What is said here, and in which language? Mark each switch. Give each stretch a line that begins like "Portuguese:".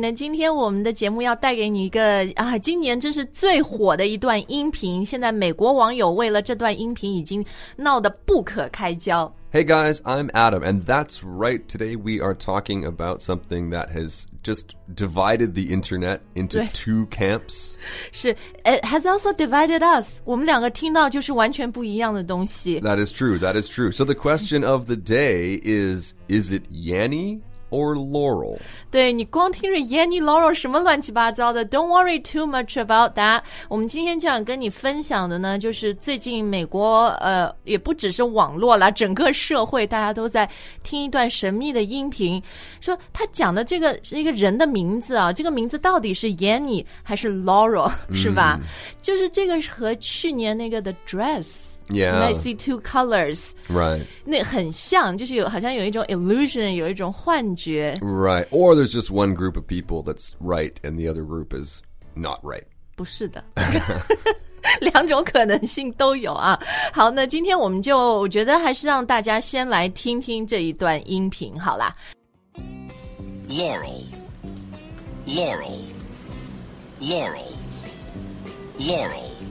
Chinese: 那今天我们的节目要带给你一个今年真是最火的一段音频，现在美国网友为了这段音频已经闹得不可开交。
English: Hey guys, I'm Adam, and that's right. Today we are talking about something that has just divided the internet into two camps. 是, it has also divided us.
Chinese: 我们两个听到就是完全不一样的东西。
English: That is true, that is true. So the question of the day is it Yanny or Laurel?
Chinese: 对，你光听着 Yanny Laurel 什么乱七八糟的，
English: don't worry too much about that.
Chinese: 我们今天就想跟你分享的呢，就是最近美国也不只是网络啦，整个社会大家都在听一段神秘的音频，说他讲的这个是一个人的名字啊，这个名字到底是 Yanny 还是 Laurel 是吧、mm. 就是这个和去年那个 The Dress
English: Yeah. And I see two colors. Right.
Chinese: 那很像，就是有，好像有一种 illusion, 有一种幻觉。
English: Right. Or there's just one group of people that's right and the other group is not right.
Chinese: 不是的。两种可能性都有啊。好，那今天我们就，我觉得还是让大家先来听听这一段音频，好啦。
English: Laurel. Laurel. Laurel. Laurel.